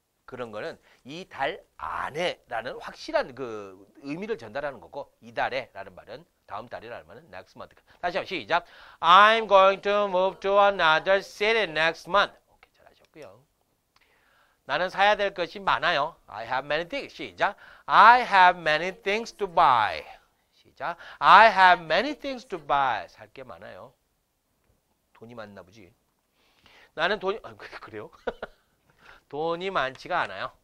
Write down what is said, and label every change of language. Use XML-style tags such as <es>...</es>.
<ko>그런 거는 이달 안에라는 확실한 그 의미를 전달하는 거고 이달에라는 말은 다음 달이라는 말은 next month. 다시 한번 시작.</ko> <en>I'm going to move to another city next month.</en> <ko>오케이 잘하셨고요. 나는 사야 될 것이 많아요.</ko> <en>I have many things. 시작. I have many things to buy. 시작. I have many things to buy.</en> <ko>살게 많아요. 돈이 많나 보지. 나는 돈이 아, 그래요? 돈이 많지가 않아요.</ko>